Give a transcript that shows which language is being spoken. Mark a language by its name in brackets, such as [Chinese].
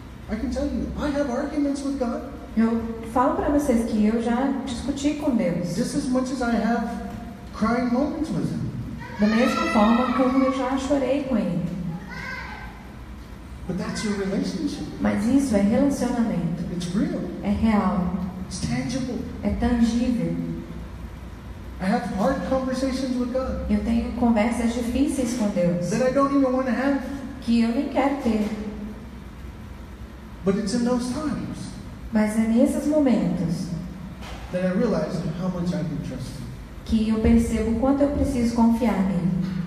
[English] I can tell you, I have arguments with God. [Portuguese] Eu falo para vocês que eu já discuti com Deus. [English] Just as much as I have crying moments with him. [Portuguese] Da mesma forma como eu já chorei com ele. [English] But that's your relationship. [Portuguese] Mas isso é relacionamento. [English] It's real. [Portuguese] É real. [English] It's tangible. [Portuguese] É tangível. [English] I have hard conversations with God. [Portuguese] Eu tenho conversas difíceis com Deus. [English] That I don't even want to have. [Portuguese] Que eu nem quero ter. [English] But it's in those times. [Portuguese] Mas é nesses momentos. [English] That I realize how much I can trust him. [Portuguese] Que eu percebo quanto eu preciso confiar nele.